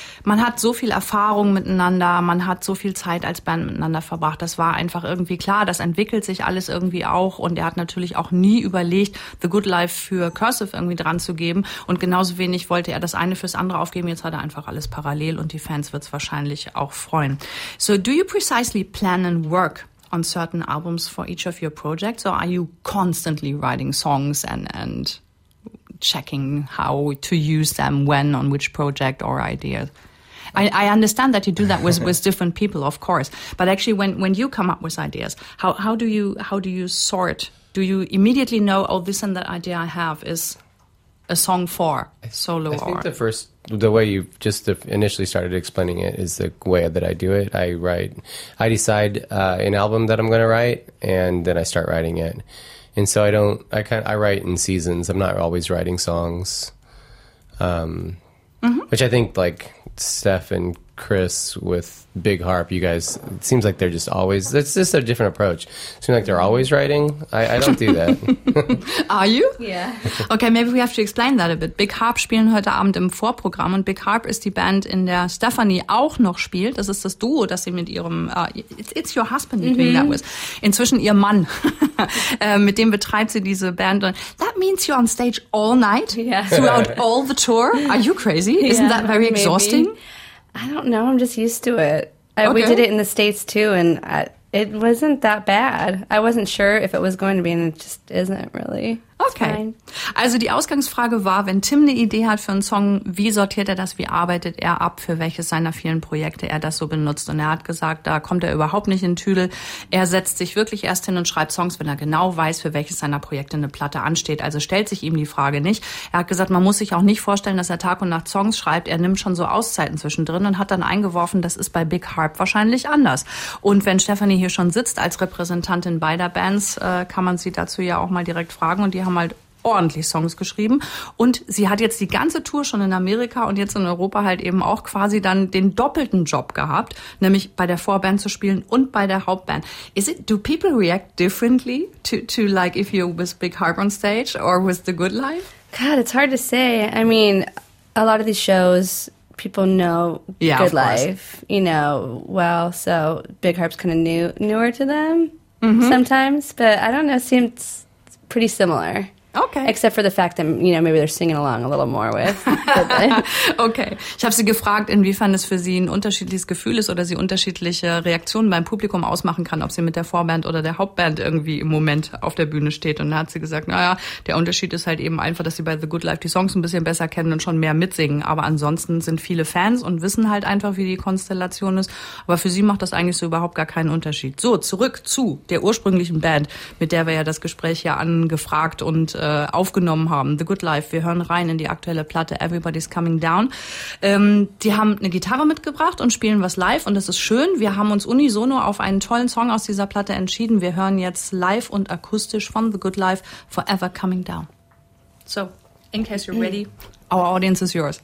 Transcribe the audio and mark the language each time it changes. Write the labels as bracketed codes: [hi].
[de] Man hat so viel Erfahrung miteinander, man hat so viel Zeit als Band miteinander verbracht. Das war einfach irgendwie klar, das entwickelt sich alles irgendwie auch, und er hat natürlich auch nie überlegt, The Good Life für Cursive irgendwie dran zu geben, und genauso wenig wollte er das eine fürs andere aufgeben. Jetzt hat er einfach alles parallel und die Fans wird es wahrscheinlich auch freuen. [en] So do you precisely plan and work on certain albums for each of your projects, or are you constantly writing songs and checking how to use them when on which project or idea? I understand that you do that with different people, of course, but actually when you come up with ideas, how do you sort? Do you immediately know, oh, this and that idea I have is a song for solo? I think the way you initially started explaining it is the way that I do it. I decide an album that I'm going to write, and then I start writing it. And so I write in seasons. I'm not always writing songs, mm-hmm. which I think like Steph and Chris with Big Harp, you guys, it seems like they're just always, it's just a different approach. It seems like they're always writing. I don't do that. Are you? Yeah. Okay, maybe we have to explain that a bit. [de] Big Harp spielen heute Abend im Vorprogramm und Big Harp ist die Band, in der Stephanie auch noch spielt. Das ist das Duo, das sie mit ihrem, it's your husband, mm-hmm. doing that with. Inzwischen ihr Mann. mit dem betreibt sie diese Band. [en] Und that means you're on stage all night, yeah. throughout all the tour. Are you crazy? Yeah, isn't that very exhausting? Maybe. I don't know. I'm just used to it. We did it in the States, too, and it wasn't that bad. I wasn't sure if it was going to be, and it just isn't really. Okay. [de] Also die Ausgangsfrage war, wenn Tim eine Idee hat für einen Song, wie sortiert er das, wie arbeitet er ab, für welches seiner vielen Projekte er das so benutzt? Und er hat gesagt, da kommt er überhaupt nicht in Tüdel. Er setzt sich wirklich erst hin und schreibt Songs, wenn er genau weiß, für welches seiner Projekte eine Platte ansteht. Also stellt sich ihm die Frage nicht. Er hat gesagt, man muss sich auch nicht vorstellen, dass er Tag und Nacht Songs schreibt. Er nimmt schon so Auszeiten zwischendrin und hat dann eingeworfen, das ist bei Big Harp wahrscheinlich anders. Und wenn Stephanie hier schon sitzt als Repräsentantin beider Bands, kann man sie dazu ja auch mal direkt fragen. Und die haben halt ordentlich Songs geschrieben. Und sie hat jetzt die ganze Tour schon in Amerika und jetzt in Europa halt eben auch quasi dann den doppelten Job gehabt, nämlich bei der Vorband zu spielen und bei der Hauptband. [en] Do people react differently to like if you're with Big Harp on stage or with The Good Life? God, it's hard to say. I mean, a lot of these shows, people know yeah, Good Life, you know, well, so Big Harp's kind of newer to them mm-hmm. sometimes, but I don't know, it seems pretty similar. Okay. Except for the fact that, you know, maybe they're singing along a little more with. Okay. [de] Ich habe sie gefragt, inwiefern es für sie ein unterschiedliches Gefühl ist oder sie unterschiedliche Reaktionen beim Publikum ausmachen kann, ob sie mit der Vorband oder der Hauptband irgendwie im Moment auf der Bühne steht. Und da hat sie gesagt, naja, der Unterschied ist halt eben einfach, dass sie bei The Good Life die Songs ein bisschen besser kennen und schon mehr mitsingen. Aber ansonsten sind viele Fans und wissen halt einfach, wie die Konstellation ist. Aber für sie macht das eigentlich so überhaupt gar keinen Unterschied. So, zurück zu der ursprünglichen Band, mit der wir ja das Gespräch hier angefragt und aufgenommen haben. The Good Life, wir hören rein in die aktuelle Platte Everybody's Coming Down. Die haben eine Gitarre mitgebracht und spielen was live und das ist schön. Wir haben uns unisono auf einen tollen Song aus dieser Platte entschieden. Wir hören jetzt live und akustisch von The Good Life Forever Coming Down. [en] So, in case you're ready, our audience is yours.